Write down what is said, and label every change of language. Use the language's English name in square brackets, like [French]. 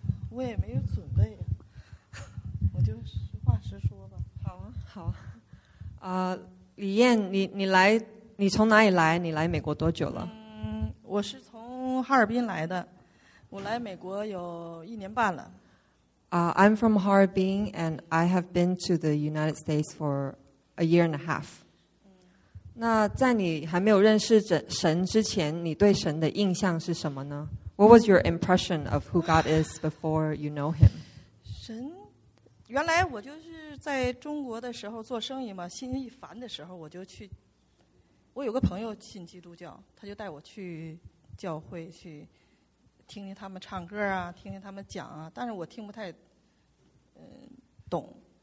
[Chinese] 我也没有准备，我就实话实说吧。好啊，好啊。李燕，你从哪里来？你来美国多久了？我是从哈尔滨来的，我来美国有一年半了。 [English] I'm from Harbin, and I have been to the United States for a year and a half. [Chinese] 那在你还没有认识神之前，你对神的印象是什么呢？ [English] What was your impression of who God is before you know him? [Chinese] 神，原来我就是在中国的时候做生意嘛，心一烦的时候我就去，我有个朋友信基督教，他就带我去教会去听听他们唱歌啊，听听他们讲啊，但是我听不太懂。